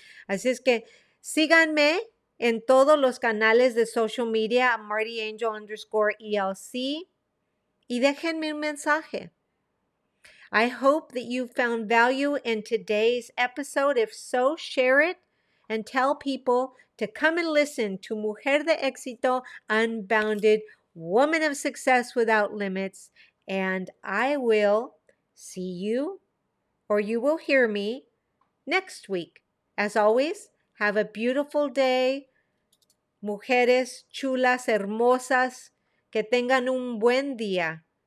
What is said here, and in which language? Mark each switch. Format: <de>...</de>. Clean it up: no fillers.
<es>Así es que síganme en todos los canales de social media, Marty Angel underscore ELC, y déjenme un mensaje.</es> <en>I hope that you found value in today's episode. If so, share it and tell people to come and listen to Mujer de Éxito Unbounded, Woman of Success Without Limits. And I will see you, or you will hear me, next week. As always, have a beautiful day.</en> <es>Mujeres chulas, hermosas, que tengan un buen día.</es>